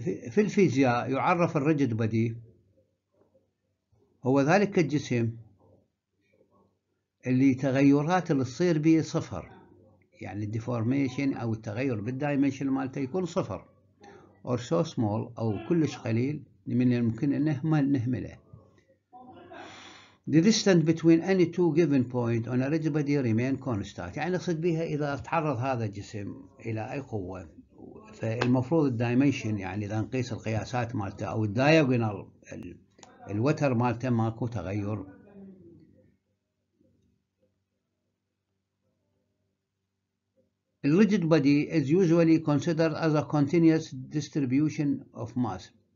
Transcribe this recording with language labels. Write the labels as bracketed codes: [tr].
[ar] في الفيزياء يعرف الريجيد بودي هو ذلك الجسم اللي تغيرات اللي تصير به صفر، يعني الديفورميشن او التغير بالدايمنشن مالته يكون صفر [en] or so small [ar] أو كلش قليل من الممكن أن نهمله. [en] The distance between any two given point on a rigid body remain constant، [ar] يعني نقصد بها إذا تعرض هذا الجسم إلى أي قوة فالمفروض الدايمنشن يعني اذا نقيس القياسات مالته او الدايجونال الوتر مالته ماكو تغير. [en] الريجيد body is usually considered as a continuous distribution of mass.